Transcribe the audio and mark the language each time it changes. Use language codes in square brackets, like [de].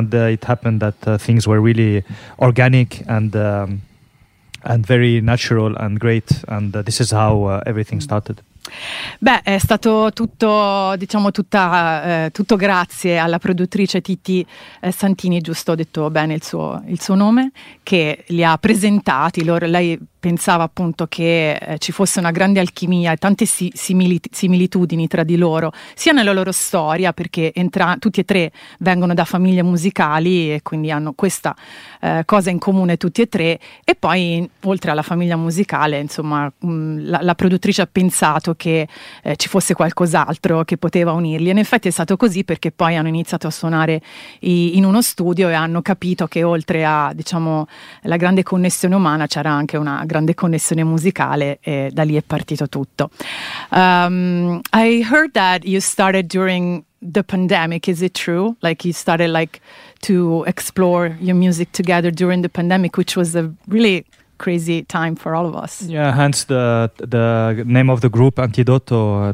[en] And it happened that things were really organic and very natural and great. And this is how everything started. [it] Beh, è stato tutto, diciamo, tutto grazie alla produttrice Titi Santini, giusto, ho detto bene il suo nome, che li ha presentati. Lei pensava appunto che ci fosse una grande alchimia e tante similitudini tra di loro, sia nella loro storia, perché tutti e tre vengono da famiglie musicali e quindi hanno questa cosa in comune tutti e tre, e poi oltre alla famiglia musicale, insomma, la produttrice ha pensato che ci fosse qualcos'altro che poteva unirli, e in effetti è stato così, perché poi hanno iniziato a suonare in uno studio e hanno capito che oltre a, diciamo, la grande connessione umana, c'era anche una grande connessione musicale, e da lì è partito tutto. [en] I heard that you started during the pandemic. Is it true? Like you started like to explore your music together during the pandemic, which was a really crazy time for all of us. Yeah, hence the name of the group, Antidoto.